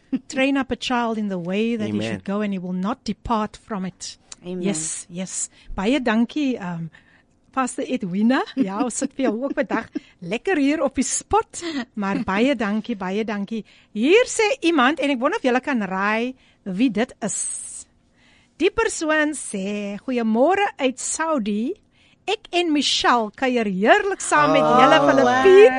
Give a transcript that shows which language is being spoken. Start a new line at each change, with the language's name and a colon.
English: Train up a child in the way that Amen. He should go and he will not depart from it. Amen. Yes, yes.
Afrikaans: Baie dankie, Pastor Edwina, ja, ons sit vir jou ook bedag, lekker hier op die spot, maar baie dankie. Hier sê iemand, en ek wonder of julle kan raai wie dit is. Die persoon sê, goeiemôre uit Saudi, ek en Michelle kuier heerlik saam met julle Filippien.